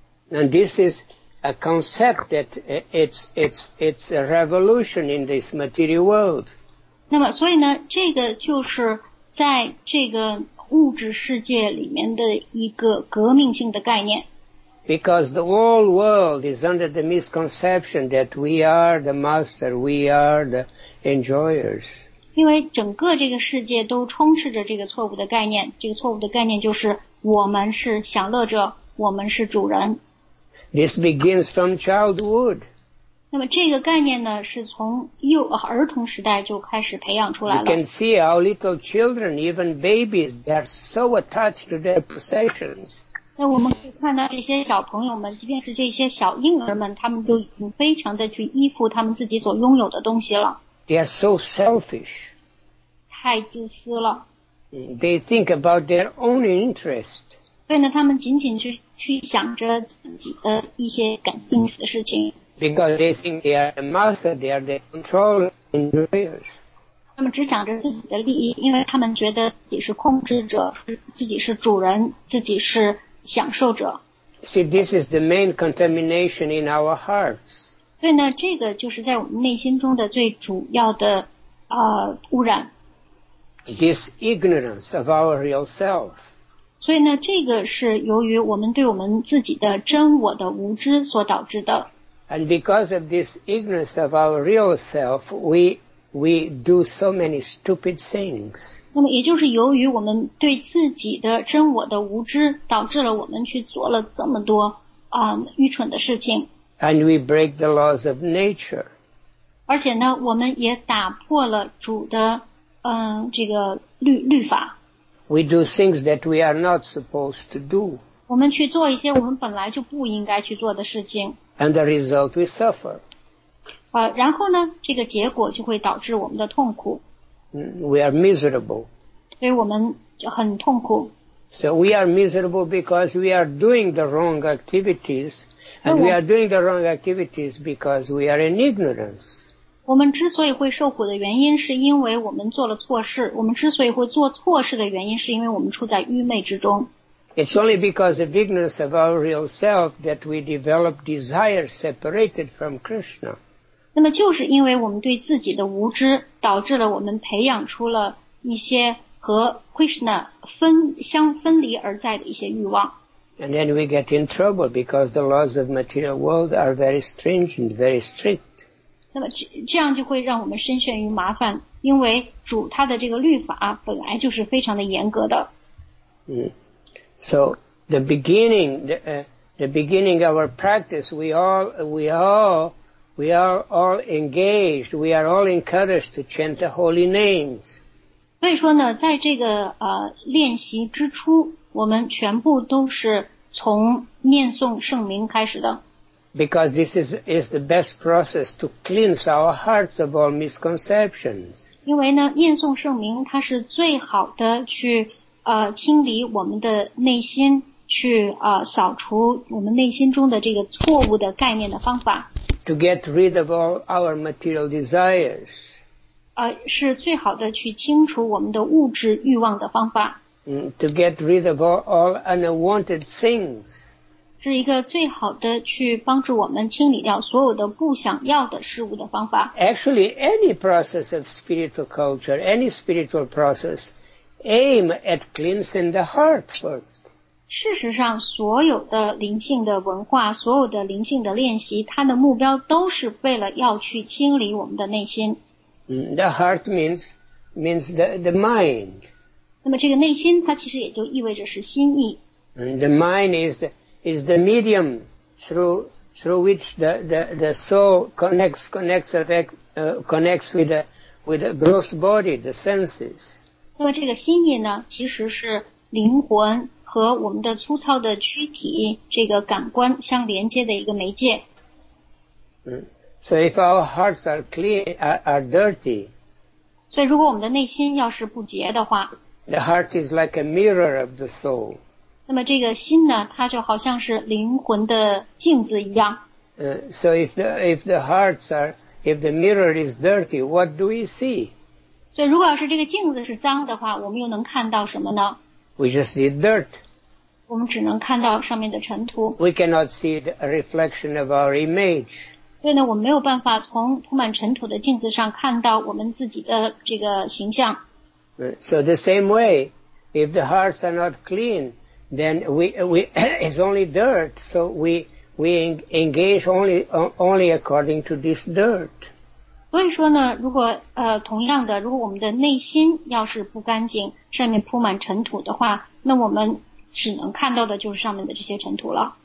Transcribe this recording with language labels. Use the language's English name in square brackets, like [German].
[English] And this is a concept that it's a revolution in this material world. [Chinese] 那么所以呢，这个就是在这个物质世界里面的一个革命性的概念。 [English] Because the whole world is under the misconception that we are the master, we are the enjoyers. [Chinese] 因为整个这个世界都充斥着这个错误的概念，这个错误的概念就是我们是享乐者，我们是主人。 [English] This begins from childhood. [Chinese] 那么这个概念呢，是从儿童时代就开始培养出来了。 [English] You can see how little children, even babies, they are so attached to their possessions. [Chinese] 那我们可以看到这些小朋友们，即便是这些小婴儿们，他们都已经非常的去依附他们自己所拥有的东西了。 [English] They are so selfish. [Chinese] 太自私了。 [English] They think about their own interest. [Chinese] 所以呢，他们仅仅是去想着自己的一些感兴趣的事情。 [English] Because they think they are the master, they are the controller in the universe. [Chinese] 他们只想着自己的利益，因为他们觉得自己是控制者，自己是主人，自己是享受者。 [English] See, this is the main contamination in our hearts. [Chinese] 所以呢，这个就是在我们内心中的最主要的污染。 [English] This ignorance of our real self. [Chinese] 所以呢，这个是由于我们对我们自己的真我的无知所导致的。 [English] And because of this ignorance of our real self, we do so many stupid things. [Chinese] 那么也就是由于我们对自己的真我的无知，导致了我们去做了这么多愚蠢的事情。 [English] And we break the laws of nature. [Chinese] 而且呢，我们也打破了主的这个律法。 [English] We do things that we are not supposed to do. [Chinese] 我们去做一些我们本来就不应该去做的事情。 [English] And the result we suffer. [Chinese] 然后呢，这个结果就会导致我们的痛苦。 [English] We are miserable. [Chinese] 所以我们就很痛苦。 [English] So we are miserable because we are doing the wrong activities, and we are doing the wrong activities because we are in ignorance. [Chinese] 我们之所以会受苦的原因是因为我们做了错事，我们之所以会做错事的原因是因为我们处在愚昧之中。 [English] It's only because of ignorance of our real self that we develop desire separated from Krishna. [Chinese] 那么就是因为我们对自己的无知，导致了我们培养出了一些和 Krishna 分离而在的一些欲望。 [English] And then we get in trouble because the laws of material world are very stringent, very strict. [Chinese] 那么这样就会让我们深陷于麻烦，因为主他的这个律法本来就是非常的严格的。 [English] So the beginning of our practice, we are all engaged. We are all encouraged to chant the holy names. [Chinese] 所以说呢，在这个练习之初，我们全部都是从念诵圣名开始的。 [English] Because this is the best process to cleanse our hearts of all misconceptions. [Chinese] 因为呢，念诵圣名它是最好的去清理我们的内心，去扫除我们内心中的这个错误的概念的方法。 [English] To get rid of all our material desires. [Chinese] 是最好的去清除我们的物质欲望的方法。 [English] To get rid of all unwanted things. [Chinese] 是一个最好的去帮助我们清理掉所有的不想要的事物的方法。 [English] Actually, any process of spiritual culture, any spiritual process,aim at cleansing the heart first. [Chinese] 事实上，所有的灵性的文化，所有的灵性的练习，它的目标都是为了要去清理我们的内心。 [English] The heart means the mind. [Chinese] 那么这个内心，它其实也就意味着是心意。 [English] The mind is the medium through which the soul connects with the gross body, the senses. [Chinese] 那么这个心意呢，其实是灵魂和我们的粗糙的躯体这个感官相连接的一个媒介。 [English] So if our hearts are clean, are dirty. [Chinese] 所以如果我们的内心要是不洁的话 [English] ，The heart is like a mirror of the soul. [Chinese] 那么这个心呢，它就好像是灵魂的镜子一样。 [English] So if the hearts are if the mirror is dirty, what do we see? [Chinese] 所以如果要是这个镜子是脏的话，我们又能看到什么呢 [English] ？We just see dirt. [Chinese] 我们只能看到上面的尘土。 [English] We cannot see the reflection of our image. [Chinese] 所以呢，我们没有办法从铺满尘土的镜子上看到我们自己的这个形象。 [English] So the same way, if the hearts are not clean, then we it's only dirt. So we engage only according to this dirt. [Chinese] 所以说呢，如果同样的，如果我们的内心要是不干净，上面铺满尘土的话，那我们只能看到的就是上面的这些尘土了。